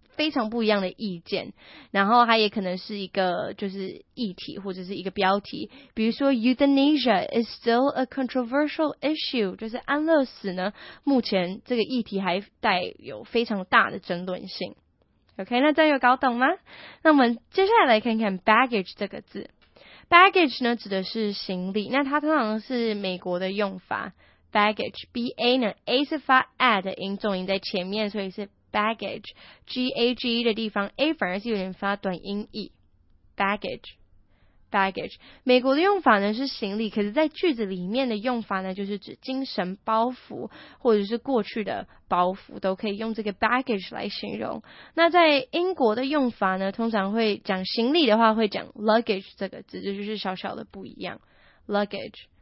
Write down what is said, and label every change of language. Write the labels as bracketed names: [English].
[Chinese] 非常不一样的意见，然后它也可能是一个就是议题或者是一个标题，比如说 [English] Euthanasia is still a controversial issue， [Chinese] 就是安乐死呢目前这个议题还带有非常大的争论性。 OK， 那这样有搞懂吗？那我们接下来来看看 baggage 这个字。 baggage 呢指的是行李，那它通常是美国的用法。 baggage B A 呢 ，A 是发 a 的音，重音在前面，所以是 baggage。 G A G E 的地方 ，A 反而是有点发短音 e。 baggage baggage， 美国的用法呢是行李，可是在句子里面的用法呢，就是指精神包袱或者是过去的包袱，都可以用这个 baggage 来形容。那在英国的用法呢，通常会讲行李的话，会讲 luggage 这个字，就是小小的不一样 ，luggage。